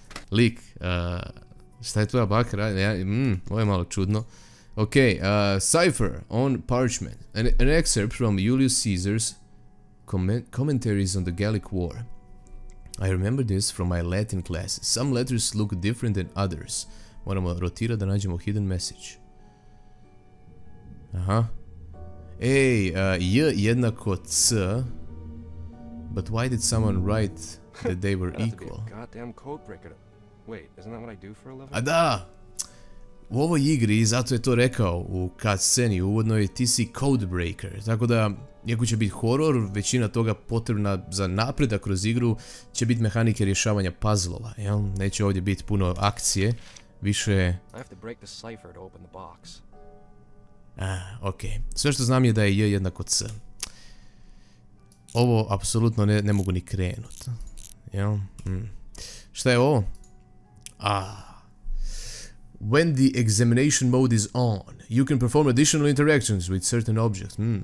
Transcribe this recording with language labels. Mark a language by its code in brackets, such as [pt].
[bs] Lik, šta je tvoja baka radi? Ovo je malo čudno. [en] Okay, Cypher on Parchment. An excerpt from Julius Caesar's commentaries on the Gallic War. I remember this from my Latin class. Some letters look different than others. [bs] Moramo rotira da nađemo [en] hidden message. [bs] Aha. Ej, J jednako C. [en] But why did someone write that they were equal? Goddamn code breaker. Wait, isn't that what I do for a living? [bs] A da! U ovoj igri, zato je to rekao u cutsceni, uvodno je ti si codebreaker, tako da, iako će biti horor, većina toga potrebna za napredak kroz igru će biti mehanike rješavanja puzzlova, jel? Neće ovdje biti puno akcije, više... [en] I have to break the cipher to open the box. [bs] Okej. Okay. Sve što znam je da je J jednako C. Ovo, apsolutno ne mogu ni krenut. Jel? Šta je ovo? [en] When the examination mode is on, you can perform additional interactions with certain objects.